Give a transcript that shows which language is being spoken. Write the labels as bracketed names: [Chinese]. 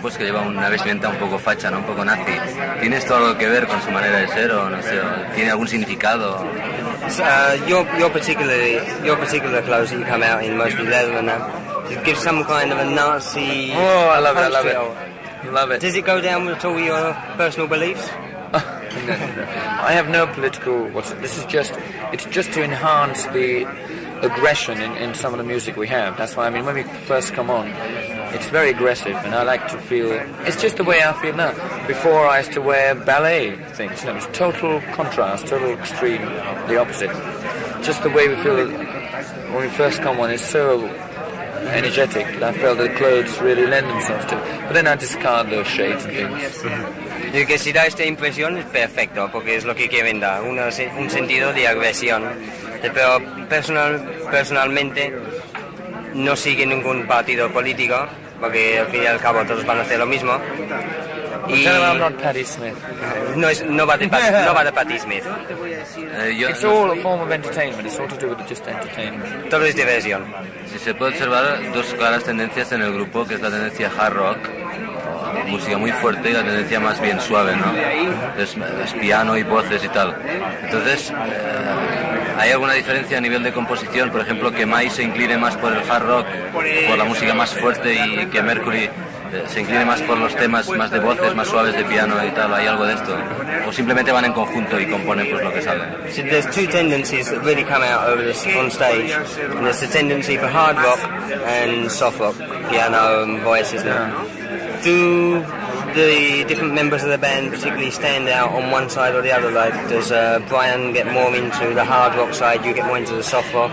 [Spanish] Pues que lleva una vestimenta un poco facha, ¿no? Un poco nazi. ¿Tiene esto algo que ver con su manera de ser o no sé? ¿Tiene algún significado? [English] Your particular clothes that you come out in must be leather now. It gives some kind of a Nazi. Oh, I love it, I love it. Love it. Does it go down with all your personal beliefs? No. I have no political. This is just. It's just to enhance the aggression in some of the music we have. That's why, I mean, when we first come on, it's very aggressive, and I like to feel. It's just the way I feel now. Before, I used to wear ballet things. No, it was total contrast, total extreme, the opposite. Just the way we feel when we first come on is so energetic. I felt that the clothes really lend themselves to it. But then I discard those shades and things. [Spanish] Y que si da esta impresión es perfecto, porque es lo que quieren dar, un sentido de agresión. Pero personalmente no sigue ningún partido político, porque al fin y al cabo todos van a hacer lo mismo. [English] Y tell them I'm not Patti Smith. [Spanish] No va de Patti Smith. [English] It's all a form of entertainment. It's all to do with just entertainment. [Spanish] Todo es diversión. Si se puede observar dos claras tendencias en el grupo, que es la tendencia hard rock, música muy fuerte, y la tendencia más bien suave, ¿no? Es piano y voces y tal. Entonces, ¿hay alguna diferencia a nivel de composición? Por ejemplo, que Mai se incline más por el hard rock, por la música más fuerte, y que Mercury se incline más por los temas más de voces, más suaves de piano y tal, ¿hay algo de esto? ¿O simplemente van en conjunto y componen pues lo que salen? [English] So there's two tendencies that really come out over this on stage. And there's the tendency for hard rock and soft rock, piano and voices. Yeah. Do the different members of the band particularly stand out on one side or the other? Like, does Brian get more into the hard rock side, you get more into the soft rock?